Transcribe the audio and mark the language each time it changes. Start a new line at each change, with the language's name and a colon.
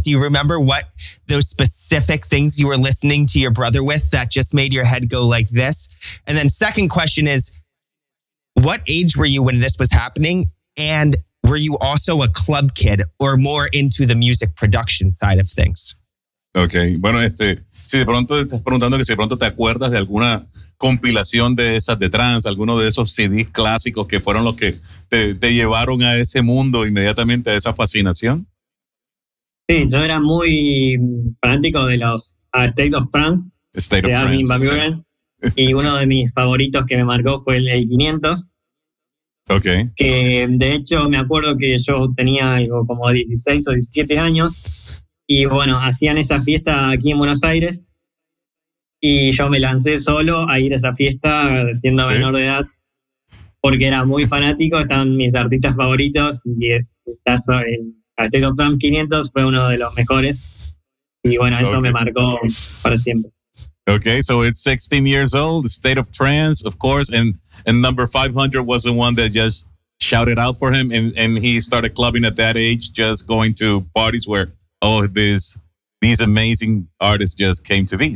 English: Do you remember what those specific things you were listening to your brother with that just made your head go like this? And then second question is, what age were you when this was happening? And were you also a club kid or more into the music production side of things?
Spanish: Okay, bueno, si de pronto estás preguntando que si de pronto te acuerdas de alguna compilación de esas de trance, alguno de esos CDs clásicos que fueron los que te llevaron a ese mundo inmediatamente, a esa fascinación. Sí, yo era muy fanático de los State of Trance,
English: State
Spanish: de
English: of
Spanish: Armin van Buuren, y uno de mis favoritos que me marcó fue el 500.
English: Ok.
Spanish: Que de hecho me acuerdo que yo tenía algo como 16 o 17 años, y bueno, hacían esa fiesta aquí en Buenos Aires, y yo me lancé solo a ir a esa fiesta siendo ¿sí? menor de edad, porque era muy fanático, estaban mis artistas favoritos, y estás en el State of Trance 500 fue uno de los mejores. Y bueno, eso okay. me marcó para siempre.
English: Okay, so it's 16 years old, State of Trance, of course, and number 500 was the one that just shouted out for him, and he started clubbing at that age, just going to parties where, oh, these amazing artists just came to be.